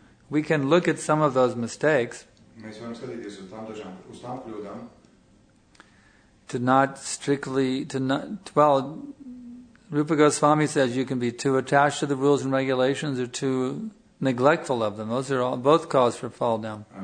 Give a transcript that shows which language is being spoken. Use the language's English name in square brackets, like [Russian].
[English] We can look at some of those mistakes. [Latvian] Mēs varam skatīties uz tām kļūdām. [English] to not strictly, well, Rupa Goswami says you can be too attached to the rules and regulations or too neglectful of them. Those are all both cause for fall down.